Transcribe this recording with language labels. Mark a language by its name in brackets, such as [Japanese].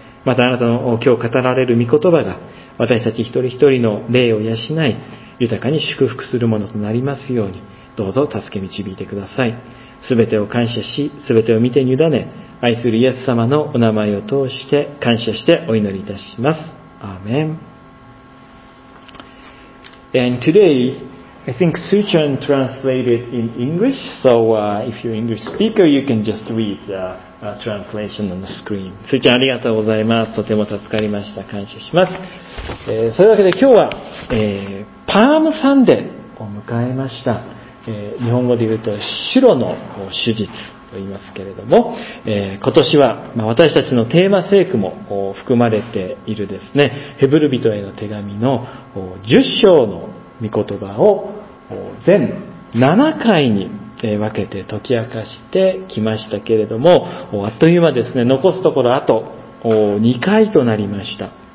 [Japanese] またあなたの今日語られる御言葉が私たち一人一人の霊を養い、豊かに祝福するものとなりますようにどうぞ助け導いてください。すべてを感謝し、すべてを見てに委ね、愛するイエス様のお名前を通して感謝してお祈りいたします。アーメン。 [English] And today I think Suchan translated in English, so if you're an English speaker, you can just read the translation on the screen. [Japanese] Suchan, ありがとうございます。とても助かりました。感謝します。それだけで今日は、パームサンデーを迎えました。日本語で言うと白の主日と言いますけれども、今年は、私たちのテーマ聖句も含まれているですね、ヘブル人への手紙の10章の御言葉を全7回に分けて解き明かしてきましたけれども、あっという間ですね、残すところあと2回となりました。